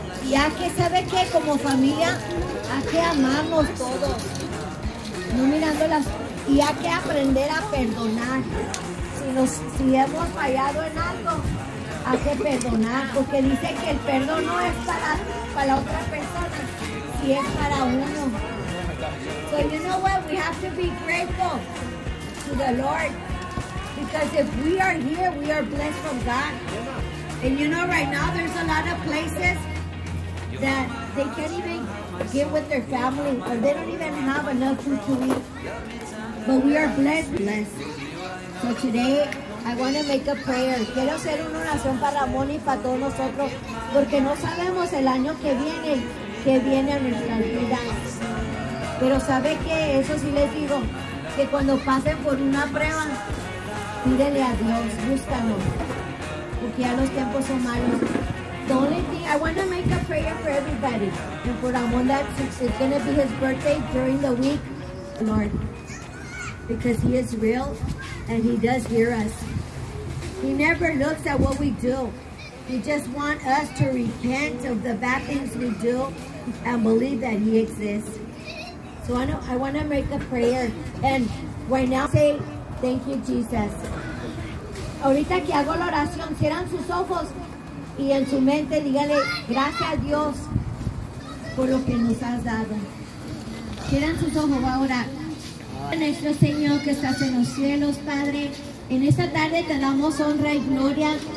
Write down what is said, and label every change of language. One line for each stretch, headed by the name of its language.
Spanish: Y hay que, sabe que como familia, hay que amarnos todos. No mirando las... Y hay que aprender a perdonar. Si hemos fallado en algo, hay que perdonar. Porque dice que el perdón no es para otra persona, si es para uno.
English: So you know what? We have to be grateful to the Lord. Because if we are here, we are blessed from God. And you know, right now, there's a lot of places that they can't even get with their family, or they don't even have enough food to eat. But we are blessed. So today, I want to make a prayer.
Spanish: Quiero hacer una oración para Ramón y para todos nosotros, porque no sabemos el año que viene a nuestras vidas. Pero sabe que eso sí les digo. que cuando pasen por una prueba, pídele a Dios, búscalo, porque ya los tiempos son malos.
English: I want to make a prayer for everybody, and for Ramon, that it's going to be his birthday during the week, Lord, because he is real, and he does hear us. He never looks at what we do. He just wants us to repent of the bad things we do and believe that he exists. So I want to make a prayer, and right now say thank you, Jesus.
Spanish: Ahorita que hago la oración, cierran sus ojos y en su mente dígale gracias a Dios por lo que nos has dado. Cierran sus ojos ahora. Nuestro Señor que estás en los cielos, Padre, en esta tarde te damos honra y gloria.